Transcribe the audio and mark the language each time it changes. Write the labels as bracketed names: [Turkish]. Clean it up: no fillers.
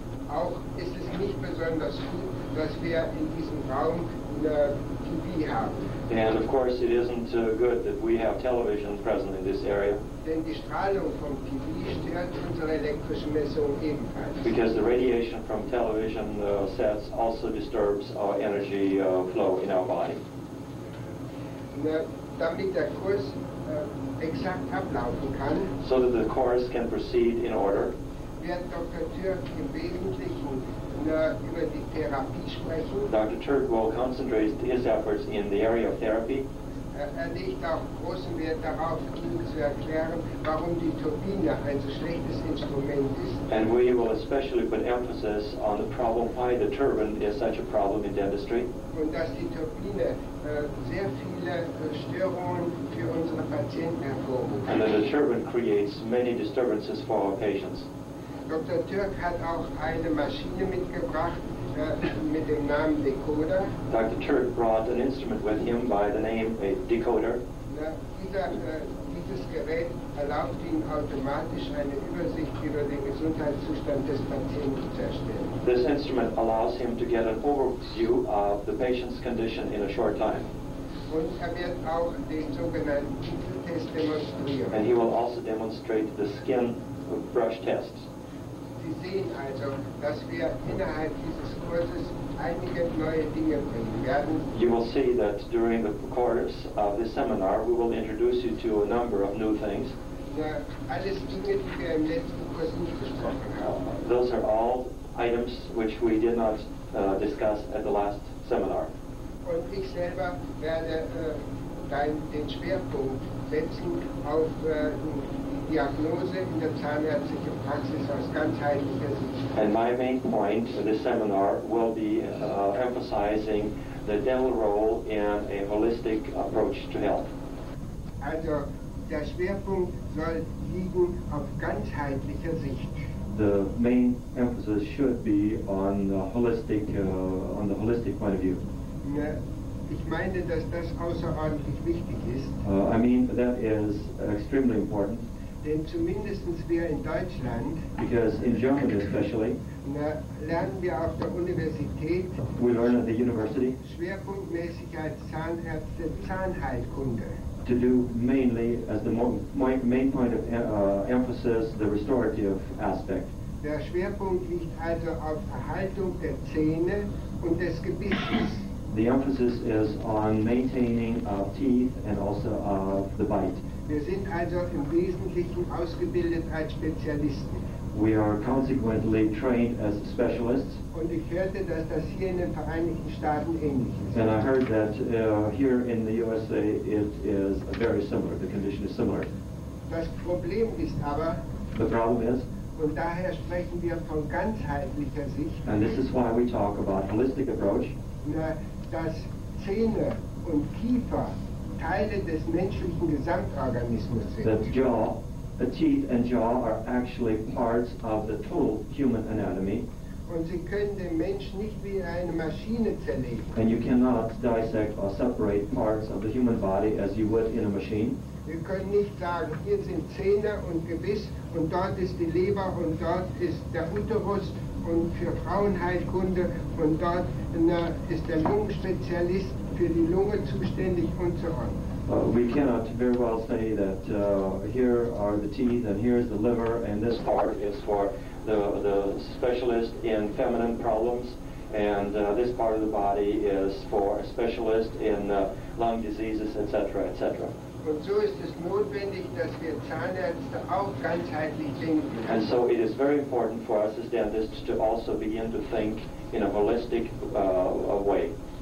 [German] Auch ist es nicht besonders gut, dass wir in diesem Raum eine TV haben. [English] And of course it isn't good that we have television present in this area. [German] Denn die Strahlung vom TV stört unsere elektrische Messung ebenfalls. [English] Because the radiation from television sets also disturbs our energy flow in our body. [German] Damit der Kurs exakt ablaufen kann, [English] so that the course can proceed in order, [German] wird Dr. Türk im Wesentlichen über die Therapie sprechen. [English] Dr. Türk will concentrate his efforts in the area of therapy. [German] Er legt auch großen Wert darauf, Ihnen zu erklären, warum die Turbine ein so schlechtes Instrument ist. [English] And we will especially put emphasis on the problem why the turbine is such a problem in dentistry. [German] Und dass die Turbine sehr viele Störungen für unsere Patienten hervorruft. [English] And that the turbine creates many disturbances for our patients. [German] Dr. Türk hat auch eine Maschine mitgebracht mit dem Namen Decoder. [English] Dr. Türk brought an instrument with him by the name Decoder. [German] Dieses Gerät erlaubt Ihnen automatisch eine Übersicht über den Gesundheitszustand des Patienten zu erstellen. [English] This instrument allows him to get an overview of the patient's condition in a short time. [German] Und er wird auch den sogenannten Kieltest demonstrieren. [English] And he will also demonstrate the skin brush test. [German] Sie sehen also, dass wir innerhalb dieses Kurses einige neue Dinge bringen werden. [English] You will see that during the course of this seminar we will introduce you to a number of new things. [German] Alles Dinge, die wir im letzten Kurs nicht besprochen haben. [English] Those are all items which we did not discuss at the last seminar. [German] Und ich selber werde den Schwerpunkt setzen auf Diagnose in der zahnärztlichen Praxis aus ganzheitlicher Sicht. [English] And my main point for this seminar will be emphasizing the dental role in a holistic approach to health. [German] Also, der Schwerpunkt soll liegen auf ganzheitlicher Sicht. [English] The main emphasis should be on the holistic point of view. [German] Ich meine, dass das außerordentlich wichtig ist. [English] I mean that is extremely important. [German] Denn zumindest wir in Deutschland, [English] because in Germany especially, [German] lernen wir auf der Universität, [English] we learn at the university, [German] schwerpunktmäßig als Zahnärzte Zahnheilkunde, [English] to do mainly as the main point of emphasis the restorative aspect. [German] Der Schwerpunkt liegt also auf Erhaltung der Zähne und des Gebisses. [English] The emphasis is on maintaining of teeth and also of the bite. [German] Wir sind also im Wesentlichen ausgebildet als Spezialisten. [English] We are consequently trained as specialists. [German] Und ich hörte, dass das hier in den Vereinigten Staaten ähnlich ist. [English] And I heard that here in the USA it is very similar, the condition is similar. [German] Das Problem ist aber, [English] the problem is, [German] und daher sprechen wir von ganzheitlicher Sicht, [English] and this is why we talk about holistic approach, [German] dass Zähne und Kiefer Teile des menschlichen Gesamtorganismus sind. [English] The jaw, the teeth and jaw are actually parts of the total human anatomy. [German] Und sie können den Menschen nicht wie eine Maschine zerlegen. [English] And you cannot dissect or separate parts of the human body as you would in a machine. [German] Wir können nicht sagen, hier sind Zähne und Gebiss und dort ist die Leber und dort ist der Uterus und für Frauenheilkunde und dort ist der Lungenspezialist für die Lunge zuständig und [English] so on. We cannot very well say that here are the teeth and here is the liver and this part is for the specialist in feminine problems and this part of the body is for a specialist in lung diseases, etc., etc. [German] Und so ist es notwendig, dass wir Zahnärzte auch ganzheitlich denken. [English] And so it is very important for us as dentists to also begin to think in a holistic way.